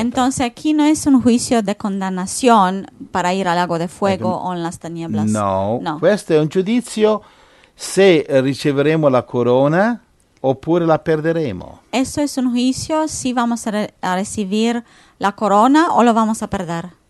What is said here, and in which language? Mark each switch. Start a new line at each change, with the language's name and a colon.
Spanish: Entonces aquí no es un juicio de condenación para ir al lago de fuego o en las tinieblas.
Italian: No, questo è un giudizio se riceveremo la corona oppure la perderemo.
Spanish: Esto es un juicio si vamos a recibir la corona o lo vamos a perder.